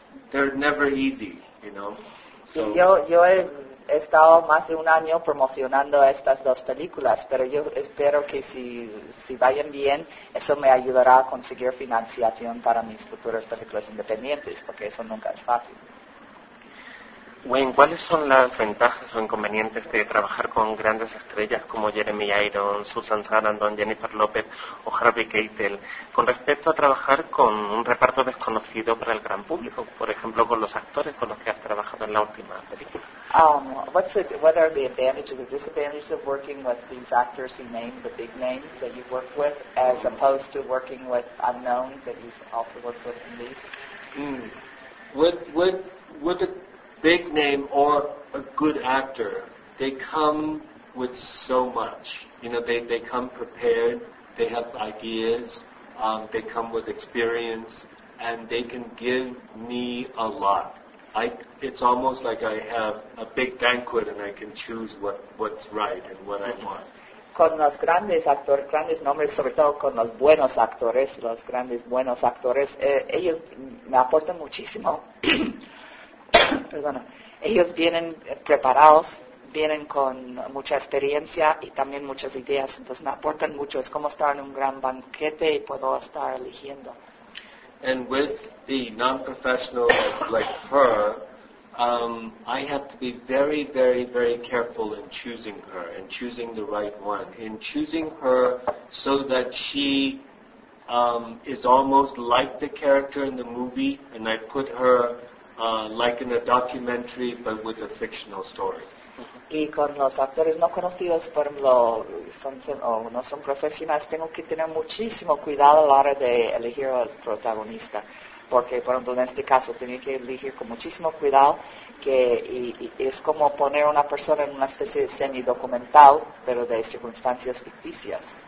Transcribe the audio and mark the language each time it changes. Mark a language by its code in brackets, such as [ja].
[en] They're never easy, you know. [es] So, yo he estado más de un año promocionando estas dos películas, pero yo espero que si vayan bien, eso me ayudará a conseguir financiación para mis futuras películas independientes, porque eso nunca es fácil. Wayne, ¿cuáles son las ventajas o inconvenientes de trabajar con grandes estrellas como Jeremy Irons, Susan Sarandon, Jennifer Lopez o Harvey Keitel con respecto a trabajar con un reparto desconocido para el gran público, por ejemplo, con los actores con los que has trabajado en la última película? [en] What are the advantages or disadvantages of working with these actors you named, the big names that you've worked with, as opposed to working with unknowns that you've also worked with in these? With a big name or a good actor, they come with so much. You know, they come prepared, they have ideas, they come with experience, and they can give me a lot. It's almost like I have a big banquet and I can choose what's right and what I want. [es] con los grandes actores, grandes nombres, sobre todo con los buenos actores, los grandes buenos actores, ellos me aportan muchísimo. Perdona. Ellos vienen preparados, vienen con mucha experiencia y también muchas ideas, entonces me aportan mucho. Es como estar en un gran banquete y puedo estar eligiendo. [en] And with the non-professional like her, I have to be very, very, very careful in choosing her and choosing the right one. In choosing her so that she is almost like the character in the movie, and I put her like in a documentary but with a fictional story. [es] Y con los actores no conocidos, por ejemplo, no son profesionales, tengo que tener muchísimo cuidado a la hora de elegir al protagonista. Porque, por ejemplo, en este caso, tenía que elegir con muchísimo cuidado, y es como poner a una persona en una especie de semi-documental, pero de circunstancias ficticias.